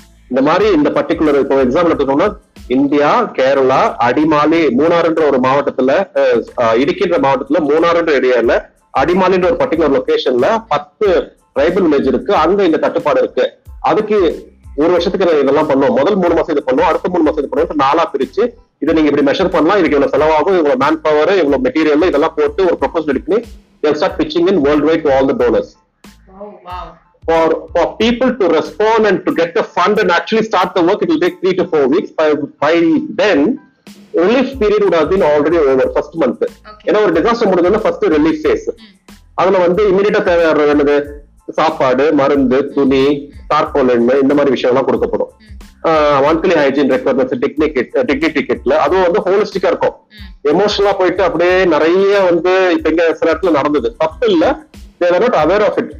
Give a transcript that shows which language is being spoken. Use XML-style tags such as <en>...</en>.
<ta>இந்த மாதிரி இந்த பர்டிகுலர் இப்போ எக்ஸாம்பிள் எடுத்துக்கோங்க, இந்தியா கேரளா அடிமாலி மூணாறுன்ற ஒரு மாவட்டத்துல, இடுக்கின்ற மாவட்டத்துல மூணாறுன்ற ஏரியால அடிமாலின்ற ஒரு பர்டிகுலர் லொகேஷன்ல 10 ட்ரைபல் வில்லேஜ் இருக்கு, அங்க இந்த தட்டுப்பாடு இருக்கு. அதுக்கு ஒரு வருஷத்துக்கு இதெல்லாம் பண்ணுவோம், முதல் 3 மாசம் இது பண்ணுவோம், அடுத்த 3 மாசம் இது பண்ணுவோம், நாலா பிரிச்சு இதை நீங்க இப்படி மெஷர் பண்ணலாம், இதுக்கு இவ்வளவு செலவாகும், இவ்வளவு மேன் பவர், இவ்வளவு மெட்டீரியல், இதெல்லாம் போட்டு ஒரு ப்ரொபோசல் எடுக்கணும்.</ta> <en>They start pitching in worldwide to all the donors. Oh, wow. For people to respond and to get the fund and actually start the work, it will take 3 to 4 weeks. By then, relief period would have been already over, first month. Okay. You know, disaster would have been the first relief phase.</en> <ta>அதுல வந்து இமீடியட்டா தேவையான என்னது சாப்பாடு மருந்து துணி தார்போலன் இந்த மாதிரி விஷயம்லாம் கொடுக்கப்படும். மந்த்லி ஹைஜீன் ரெக்யர்மெண்ட்ஸ் டிக்னிட்டிக்கெட்ல அதுவும் வந்து ஹோலிஸ்டிக்கா இருக்கும். எமோஷனலா போயிட்டு அப்படியே நிறைய வந்து இப்ப இங்க சில இடத்துல நடந்தது தப்பு இல்ல,</ta> <en>They are not aware of it.</en>